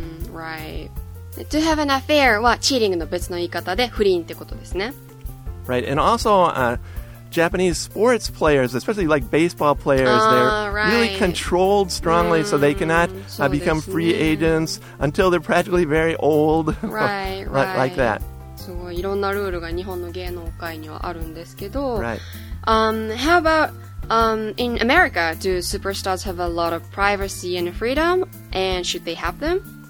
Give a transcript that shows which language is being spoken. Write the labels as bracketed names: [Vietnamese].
[Japanese] Right. [English] To have an affair [Japanese] は cheating の別の言い方で不倫ってことですね。 [English] Right. And also... Japanese sports players, especially like baseball players, they're really controlled strongly, so they cannot become free agents until they're practically very old, like that. [Japanese] すごい、いろんなルールが日本の芸能界にはあるんですけど、 [English] right. How about in America, do superstars have a lot of privacy and freedom, and should they have them?